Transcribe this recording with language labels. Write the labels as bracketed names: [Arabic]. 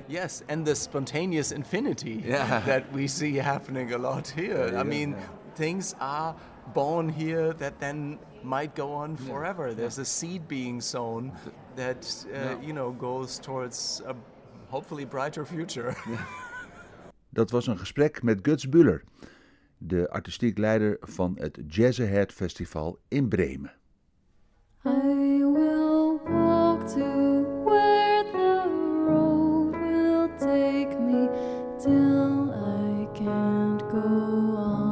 [English] Yes, and the spontaneous infinity that we see happening a lot here. Things are born here that then might go on forever. There's a seed being sown that goes towards a hopefully brighter future. [Dutch] Dat was een gesprek met Guts Bühler, de artistiek leider van het Jazz Ahead Festival in Bremen. [English] I will walk to where the road will take me till I can't go on.